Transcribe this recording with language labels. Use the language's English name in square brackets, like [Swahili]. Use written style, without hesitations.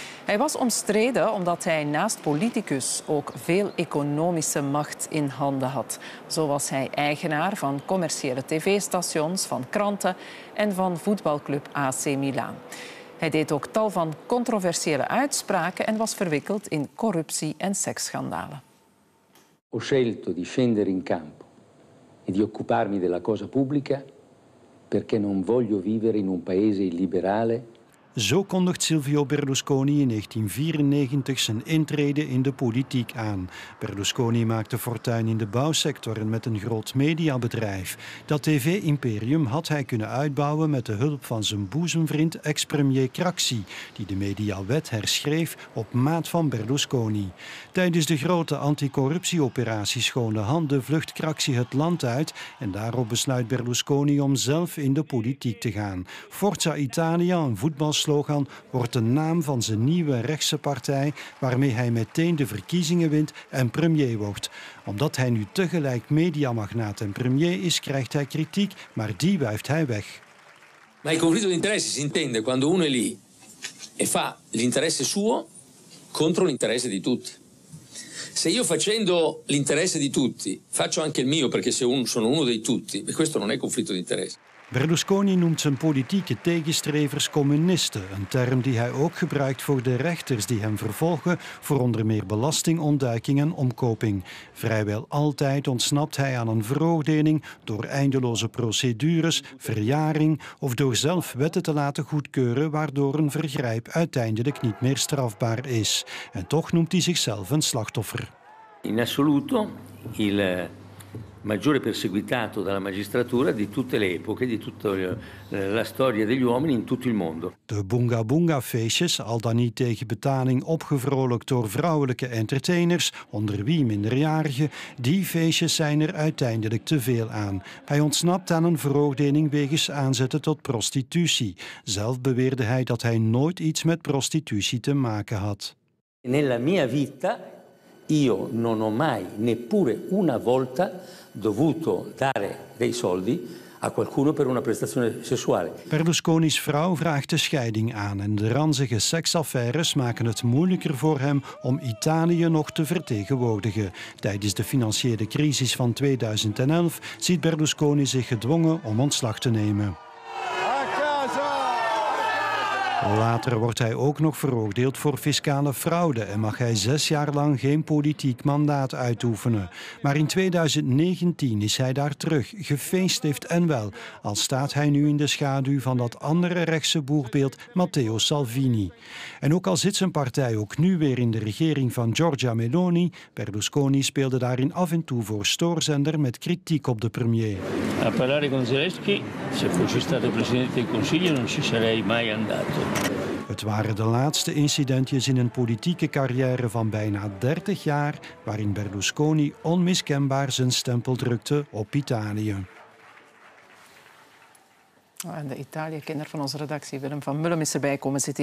[Dutch] Hij was omstreden omdat hij naast politicus ook veel economische macht in handen had. Zo was hij eigenaar van commerciële tv-stations, van kranten en van voetbalclub AC Milan. Hij deed ook tal van controversiële uitspraken en was verwikkeld in corruptie en seksschandalen. [Italian] Ho scelto di scendere in campo e di occuparmi della cosa pubblica perché non voglio vivere in un paese illiberale. [Dutch] Zo kondigt Silvio Berlusconi in 1994 zijn intrede in de politiek aan. Berlusconi maakte fortuin in de bouwsector en met een groot mediabedrijf. Dat tv-imperium had hij kunnen uitbouwen met de hulp van zijn boezemvriend ex-premier Craxi, die de mediawet herschreef op maat van Berlusconi. Tijdens de grote anticorruptieoperatie Schone Handen vlucht Craxi het land uit en daarop besluit Berlusconi om zelf in de politiek te gaan. Forza Italia, een voetbalspel, slogan wordt de naam van zijn nieuwe rechtse partij, waarmee hij meteen de verkiezingen wint en premier wordt. Omdat hij nu tegelijk mediamagnaat en premier is, krijgt hij kritiek, maar die wuift hij weg. [Italian] Maar il conflitto di interesse si intende quando uno è lì e fa l'interesse suo contro l'interesse di tutti. Se io facendo l'interesse di tutti faccio anche il mio, perché sono uno dei tutti, questo non è conflitto di interesse. [Dutch] Berlusconi noemt zijn politieke tegenstrevers communisten, een term die hij ook gebruikt voor de rechters die hem vervolgen voor onder meer belastingontduiking en omkoping. Vrijwel altijd ontsnapt hij aan een veroordeling door eindeloze procedures, verjaring of door zelf wetten te laten goedkeuren waardoor een vergrijp uiteindelijk niet meer strafbaar is. En toch noemt hij zichzelf een slachtoffer. [Italian] In assoluto, il maggiore perseguitato dalla magistratura di tutte le epoche, di tutta la storia degli uomini in tutto il mondo. [Dutch] De bunga bunga feestjes, al dan niet tegen betaling opgevrolijkt door vrouwelijke entertainers, onder wie minderjarigen, die feestjes zijn er uiteindelijk te veel aan. Hij ontsnapt aan een veroordeling wegens aanzetten tot prostitutie. Zelf beweerde hij dat hij nooit iets met prostitutie te maken had. [Italian] Nella mia vita io non ho mai neppure una volta dovuto dare dei soldi a qualcuno per una prestazione sessuale. [Dutch] Berlusconi's vrouw vraagt de scheiding aan en de ranzige seksaffaires maken het moeilijker voor hem om Italië nog te vertegenwoordigen. Tijdens de financiële crisis van 2011 ziet Berlusconi zich gedwongen om ontslag te nemen. Later wordt hij ook nog veroordeeld voor fiscale fraude en mag hij 6 jaar lang geen politiek mandaat uitoefenen. Maar in 2019 is hij daar terug, gefeest heeft en wel, al staat hij nu in de schaduw van dat andere rechtse boegbeeld Matteo Salvini. En ook al zit zijn partij ook nu weer in de regering van Giorgia Meloni, Berlusconi speelde daarin af en toe voor stoorzender met kritiek op de premier. [Italian] A parlare con Zelensky, se fossi stato presidente del consiglio non ci sarei mai andato. [Dutch] Het waren de laatste incidentjes in een politieke carrière van bijna 30 jaar waarin Berlusconi onmiskenbaar zijn stempel drukte op Italië. En de Italië-kenner van onze redactie, Willem van Mullum, is erbij komen zitten.